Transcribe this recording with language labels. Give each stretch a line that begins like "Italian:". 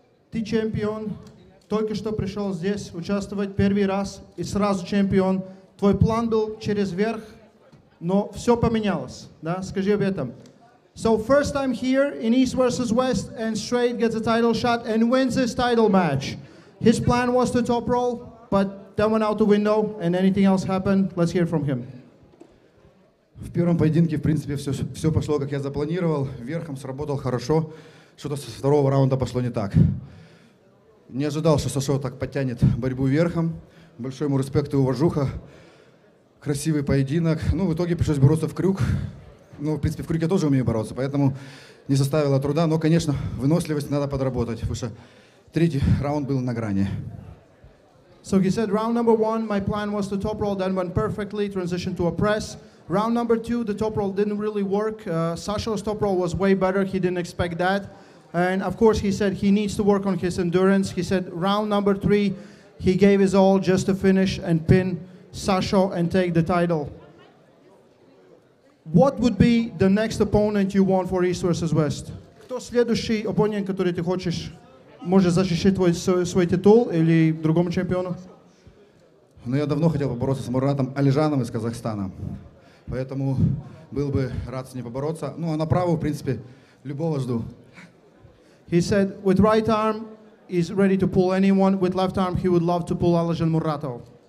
Russian: Ты чемпион, только что пришел здесь участвовать первый раз и сразу чемпион. Твой план был через верх, но все поменялось, да? Скажи об этом.
English: So first time here in East versus West and straight gets a title shot and wins this title match. His plan was to top roll, but that went out the window and anything else happened. Let's hear from him.
Russian: В первом поединке, в принципе, все пошло, как я запланировал. Верхом сработал хорошо. Что-то со второго раунда пошло не так. Не ожидал, что Сашо так подтянет борьбу верхом. Большой ему респект и уважуха. Красивый поединок. Ну, в итоге пришлось бороться в крюк. Ну, в принципе, в крюке я тоже умею бороться, поэтому не составило труда. Но, конечно, выносливость надо подработать, потому что третий раунд был на грани.
English: So he said, round number one, my plan was to top roll, then went perfectly, transition to a press. Round number two, the top roll didn't really work. Sasho's top roll was way better. He didn't expect that. And of course, he said he needs to work on his endurance. He said round number three, he gave his all just to finish and pin Sasho and take the title. What would be the next opponent you want for East versus West?
Russian: Кто следующий оппонент, который ты хочешь, может защищать твой свой титул или другому чемпиону? Ну, я давно хотел побороться с Муратом Алижаном из Казахстана. Поэтому был бы рад с ним побороться. Ну, а на правую, в принципе, любого жду.
English: He said, with right arm, he's ready to pull anyone. With left arm, he would love to pull Alijan Muratov.